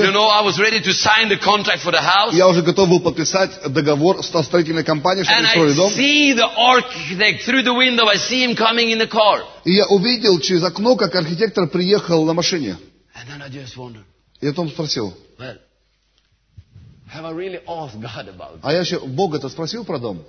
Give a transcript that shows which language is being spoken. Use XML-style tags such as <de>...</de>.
<en>You know, I was ready to sign the contract for the house.</en> <ru>Я уже готов был подписать договор со строительной компанией, чтобы строить дом.</ru> <en>And I see the architect through the window. I see him coming in the car.</en> <ru>И я увидел через окно, как архитектор приехал на машине.</ru> <en>And then I just wondered.</en> <ru>Я потом спросил.</ru> <en>Well, Have I really asked God about this?</en> <ru>А я еще Бога-то спросил про дом?</ru>